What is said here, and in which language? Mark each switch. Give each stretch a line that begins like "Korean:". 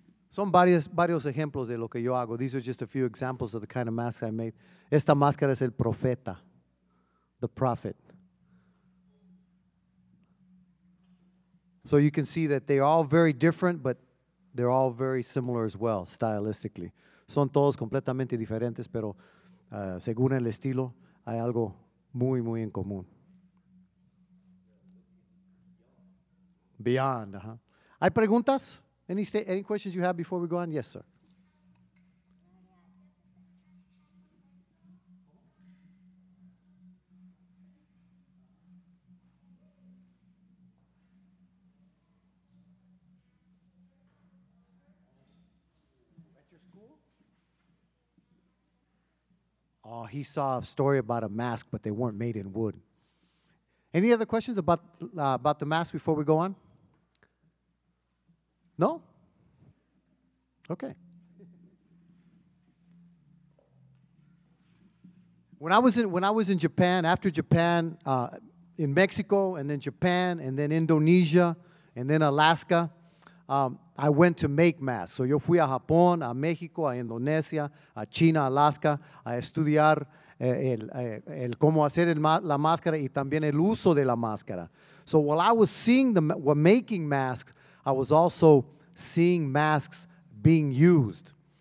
Spanish: Son varios ejemplos de lo que yo hago.
English: These are just a few examples of the kind of masks I made.
Spanish: Esta máscara es el profeta,
English: the prophet. So you can see that they are all very different, but they're all very similar as well, stylistically.
Spanish: Son todos completamente diferentes, pero según el estilo, hay algo muy, muy en común.
English: Beyond, huh?
Spanish: ¿Hay preguntas?
English: Any questions you have before we go on? Yes, sir. At your school? Oh, he saw a story about a mask, but they weren't made in wood. Any other questions about the mask before we go on? No? Okay. When I was in Japan, after Japan, in Mexico, and then Japan, and then Indonesia, and then Alaska, I went to make masks.
Spanish: So yo fui a Japón, a México, a Indonesia, a China, Alaska, a estudiar el cómo hacer la máscara y también el uso de la máscara.
English: So while I was seeing making masks, I was also seeing masks being used.